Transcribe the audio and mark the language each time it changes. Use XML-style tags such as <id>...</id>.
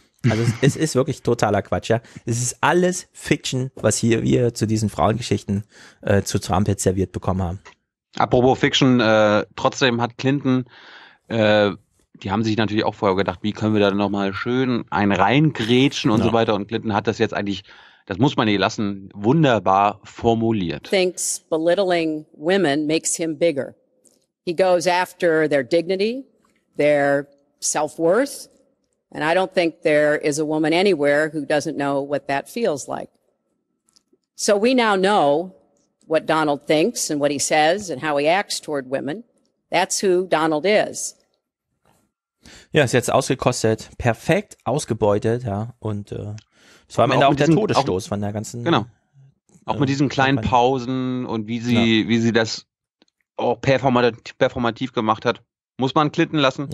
<de>Also es ist wirklich totaler Quatsch, ja. Es ist alles Fiction, was hier wir zu diesen Frauengeschichten zu Trump jetzt serviert bekommen haben. Apropos Fiction, trotzdem hat Clinton, die haben sich natürlich auch vorher gedacht, wie können wir da nochmal schön einen reingrätschen und so weiter. Und Clinton hat das jetzt eigentlich, das muss man nicht lassen, wunderbar formuliert.</de> <en>Thinks belittling women makes him bigger. He goes after their dignity, their self-worth. And I don't think there is a woman anywhere who doesn't know what that feels like. So we now know what Donald thinks and what he says and how he acts toward women. That's who Donald is.</en> <de>Ja, ist jetzt ausgekostet, perfekt ausgebeutet, ja, und es war am Ende auch der Todesstoß von der ganzen. Genau. Auch mit diesen kleinen Pausen und wie sie das auch performativ gemacht hat, muss man Clinton lassen.</de>